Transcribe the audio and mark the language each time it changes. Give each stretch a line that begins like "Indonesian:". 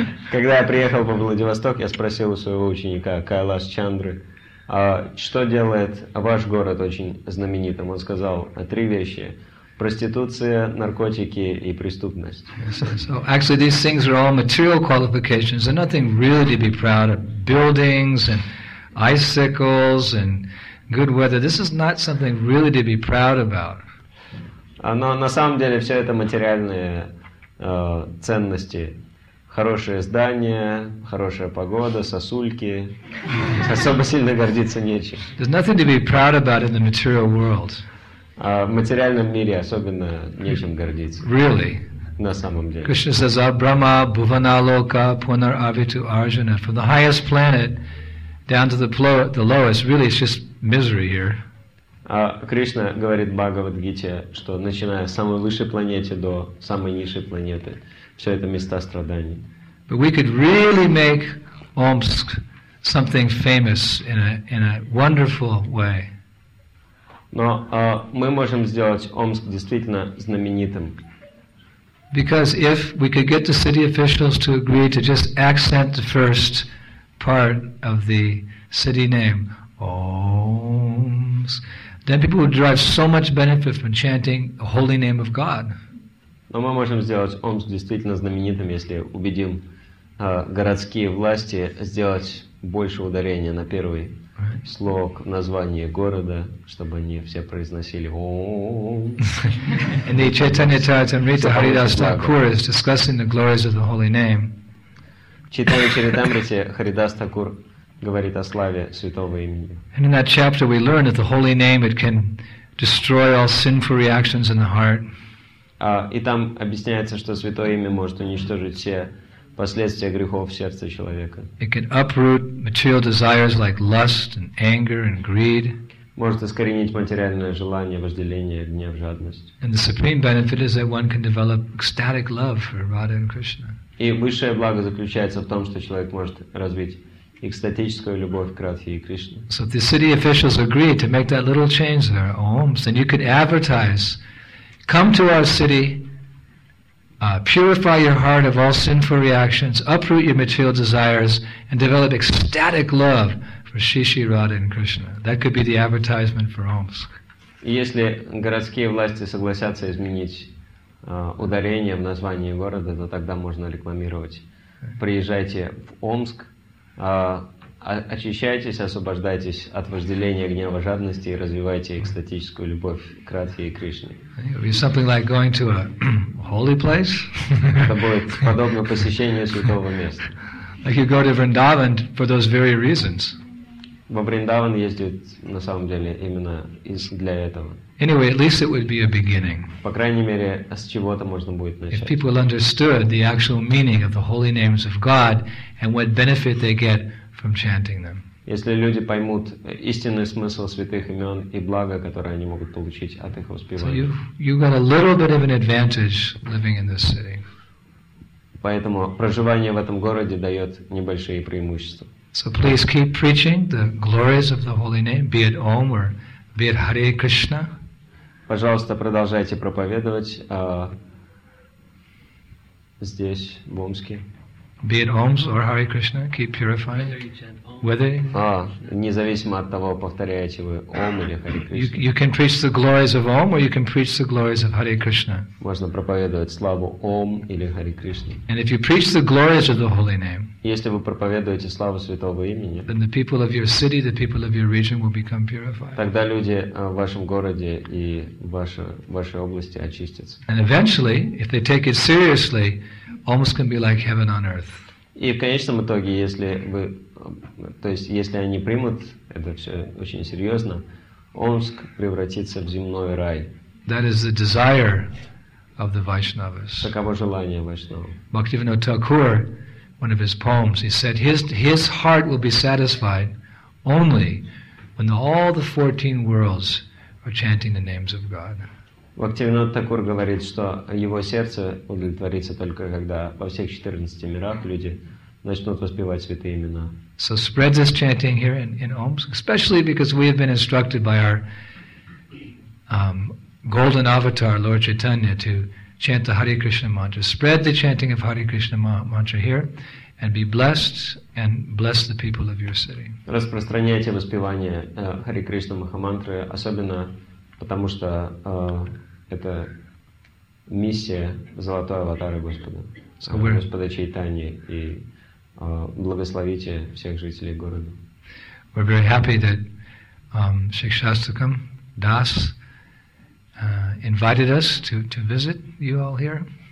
Russian: Когда я приехал во Владивосток, я спросил у своего ученика Кайлаш Чандры, а что делает ваш город очень знаменитым? Он сказал, три вещи. Проституция, наркотики и преступность.
English: So actually these things are all material qualifications. They're nothing really to be proud of. Buildings and icicles and good weather. This is not something really to be proud about.
Russian: Но на самом деле все это материальные ценности. Хорошее здание, хорошая погода, сосульки. Особо сильно гордиться нечем.
English: There's nothing to be proud about in the material world.
Russian: А в материальном мире особенно нечем гордиться.
English: Really?
Russian: На самом деле.
English: Krishna says,
Sanskrit: Abrahma, Bhuvana Loka, Punar Avitu Arjuna.
English: From the highest planet down to the lowest, really it's just misery here.
Russian: А Кришна говорит в Бхагавад-гите, что начиная с самой высшей планеты до самой низшей планеты, все это места страданий.
English: But we could really make Omsk something famous in a wonderful way.
Russian: Но мы можем сделать Омск действительно знаменитым.
English: Because if we could get the city officials to agree to just accent the first part of the city name, Омск, then people would derive so much benefit from chanting the holy name of God.
Russian: Но мы можем сделать Омск действительно знаменитым, если убедим городские власти сделать больше ударения на первый слог в названии города, чтобы они все произносили ОМ.
English: In the Chaitanya Charitamrita, Haridas Thakur is discussing the glories of the holy name.
Russian: В Чайтанья Чаритамрите Харидас Такур говорит о славе святого имени.
English: And in that chapter we learn that the holy name it can destroy all sinful reactions in the heart.
Russian: И там объясняется, что святое имя может уничтожить все последствия грехов в сердце человека.
English: It can uproot material desires like lust and anger and greed.
Russian: Может искоренить материальное желание, вожделение, гнев, жадность.
English: And the supreme benefit is that one can develop ecstatic love for Radha and Krishna.
Russian: И высшее благо заключается в том, что человек может развить экстатическую любовь к Радхе и Кришне.
English: So if the city officials agree to make that little change there, Oms, then you could advertise, come to our city, purify your heart of all sinful reactions, uproot your material desires, and develop ecstatic love for Shri Shri Radha and Krishna. That could be the advertisement for Omsk.
Russian: Если городские власти согласятся изменить ударение в названии города, то тогда можно рекламировать. Приезжайте в Омск, очищайтесь, освобождайтесь от вожделения, гнева, жадности и развивайте экстатическую любовь к Радхе и Кришне.
English: Something like going to a holy place.
Russian: Это будет подобно посещению святого места.
English: Like you go to Vrindavan for those very reasons.
Russian: Во Вриндаван ездят на самом деле именно для этого.
English: Anyway, at least it would be a beginning.
Russian: По крайней мере, с чего-то можно будет начать.
English: If people understood the actual meaning of the holy names of God and what benefit they get from chanting them.
Russian: Если люди поймут истинный смысл святых имен и блага, которые они могут получить от их воспевания.
English: So you've got a little bit of an advantage living in this city.
Russian: Поэтому проживание в этом городе дает небольшие преимущества.
English: So please keep preaching the glories of the holy name, be it Om or be it Hare Krishna.
Russian: Пожалуйста, продолжайте проповедовать здесь, в Омске.
English: Be it Om or Hare Krishna, keep purifying. Whether
Russian: независимо от того, повторяете вы Ом или Харе Кришна.
English: You can preach the glories of Om or you can preach the glories of Hare Krishna.
Russian: Можно проповедовать славу Ом или Харе Кришне.
English: And if you preach the glories of the holy name,
Russian: если вы проповедуете славу святого имени,
English: then the people of your city, the people of your region will become purified.
Russian: Тогда люди в вашем городе и вашей области очистятся.
English: And eventually, if they take it seriously, Omsk can be like heaven on earth.
Russian: И в конечном итоге, если вы, то есть если они примут это все очень серьезно, Омск превратится в земной рай.
English: That is the desire of the Vaishnavas.
Russian: Таково желание Вайшнава.
English: Bhaktivinoda Thakur, one of his poems, he said his heart will be satisfied only when all the 14 worlds are chanting the names of God.
Russian: Бхактивинода Такур говорит, что его сердце удовлетворится только когда во всех 14 мирах люди начнут воспевать святые имена.
English: So spread this chanting here in Omsk, especially because we have been instructed by our golden avatar, Lord Chaitanya, to chant the Hare Krishna mantra. Spread the chanting of Hare Krishna mantra here and be blessed and bless the people of your city.
Russian: Распространяйте воспевание Hare Krishna Mahamantra, особенно потому что это миссия золотой аватары Господа, Господа Чайтани, и благословите всех жителей города.
English: We're very happy that Shikshastakam Das invited us to visit you all here.